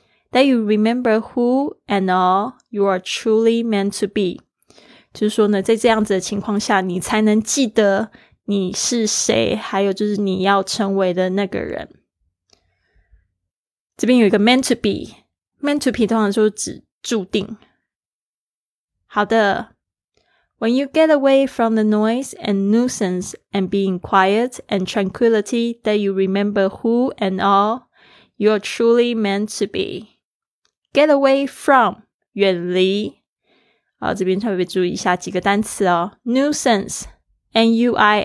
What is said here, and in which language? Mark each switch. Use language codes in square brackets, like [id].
[en] that you remember who and all you are truly meant to be， [zh] 就是说呢，在这样子的情况下，你才能记得你是谁，还有就是你要成为的那个人。这边有一个 meant to be， meant to be 通常就是指注定。好的， [en] When you get away from the noise and nuisance and being quiet and tranquility that you remember who and all you are truly meant to be， get away from [zh] 远离。好，这边特别注意一下几个单词哦。 nuisance， N-U-I-S-A-N-C-E，